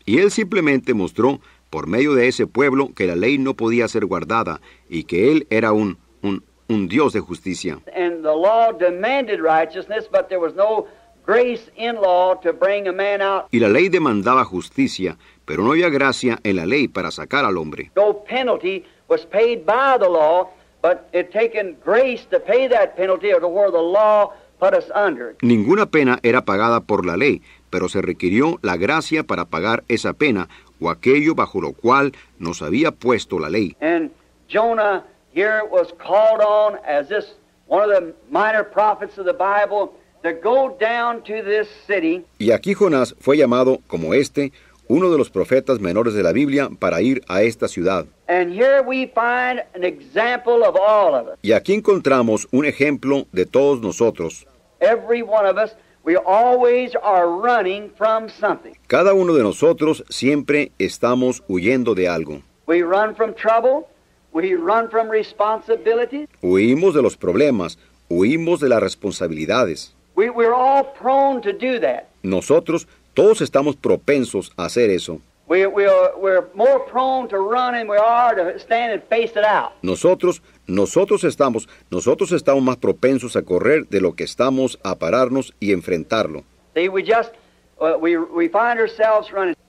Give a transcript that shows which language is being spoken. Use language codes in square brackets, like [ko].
[es] Y él simplemente mostró por medio de ese pueblo que la ley no podía ser guardada y que él era un Dios de justicia. [en] And the law demanded righteousness, but there was no grace in law to bring a man out. [es] Y la ley demandaba justicia, pero no había gracia en la ley para sacar al hombre. [en] No penalty was paid by the law, but it taken grace to pay that penalty, or the word the law put us under. [es] Ninguna pena era pagada por la ley, pero se requirió la gracia para pagar esa pena o aquello bajo lo cual nos había puesto la ley. [en] And Jonah here was called on as this one of the minor prophets of the Bible to go down to this city. [es] Y aquí Jonás fue llamado como este, uno de los profetas menores de la Biblia, para ir a esta ciudad. [en] And here we find an example of all of us. [es] Y aquí encontramos un ejemplo de todos nosotros. [en] Every one of us, we always are running from something. [es] Cada uno de nosotros siempre estamos huyendo de algo. [en] We run from trouble. We run from responsibilities. [es] Huimos de los problemas. Huimos de las responsabilidades. [en] We're all prone to do that. [es] Nosotros todos estamos propensos a hacer eso. [en] We're more prone to run than we are to stand and face it out. [es] Nosotros estamos más propensos a correr de lo que estamos a pararnos y enfrentarlo. [en] See, we find ourselves running.